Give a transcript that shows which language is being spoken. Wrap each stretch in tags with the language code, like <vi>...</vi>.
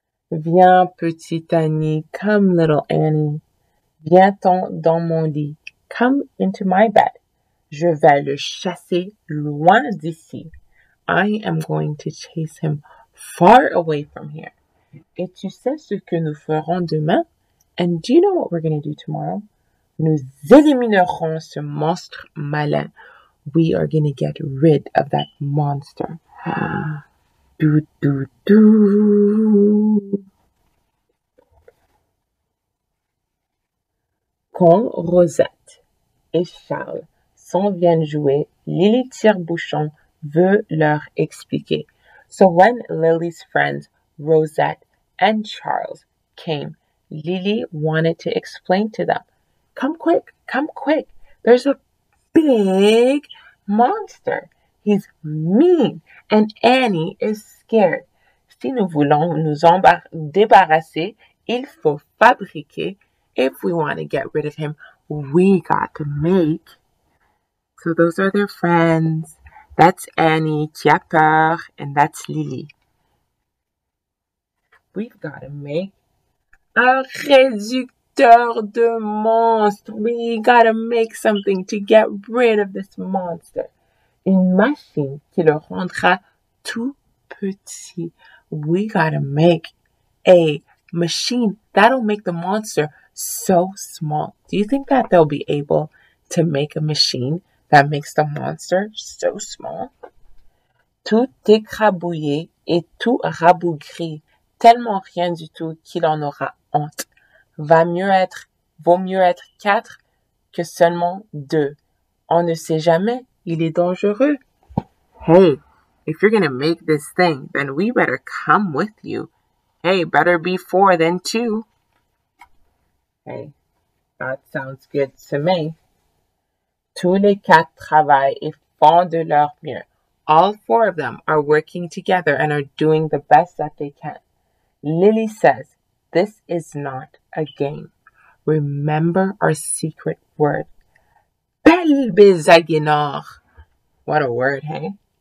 <fr>Viens, petite Annie.</fr> <en>Come, little Annie.</en> <fr>Viens-t'en dans mon lit.</fr> <en>Come into my bed.</en> <fr>Je vais le chasser loin d'ici.</fr> <en>I am going to chase him far away from here.</en> <fr>Et tu sais ce que nous ferons demain?</fr> <en>And do you know what we're going to do tomorrow?</en> <fr>Nous éliminerons ce monstre malin.</fr> <en>We are going to get rid of that monster. Do, do, do.</en> <fr>Quand Rosette et Charles s'en viennent jouer, Lily Tire-Bouchon veut leur expliquer.</fr> <en>So when Lily's friends Rosette and Charles came, Lily wanted to explain to them, come quick, come quick. There's a big monster. He's mean and Annie is scared.</en> <fr>Si nous voulons nous débarrasser, il faut fabriquer.</fr> <en>If we want to get rid of him, we got to make. So those are their friends. That's Annie</en> <fr>qui a peur,</fr> <en>and that's Lily. We've got to make a</en> <fr>réducteur de monstre.</fr> <en>We got to make something to get rid of this monster.</en> <fr>Une machine qui le rendra tout petit.</fr> <en>We got to make a machine that'll make the monster so small. Do you think that they'll be able to make a machine that makes the monster so small?</en> <fr>Tout écrabouillé et tout rabougri, tellement rien du tout qu'il en aura honte. Vaut mieux être quatre que seulement deux. On ne sait jamais, il est dangereux.</fr> <en>Hey, if you're gonna make this thing, then we better come with you. Hey, better be four than two. Hey, that sounds good to me.</en> <fr>Tous les quatre travaillent et font de leur mieux.</fr> <en>All four of them are working together and are doing the best that they can. Lily says, this is not a game. Remember our secret word. Belle bézaguinor. What a word, hey?</en>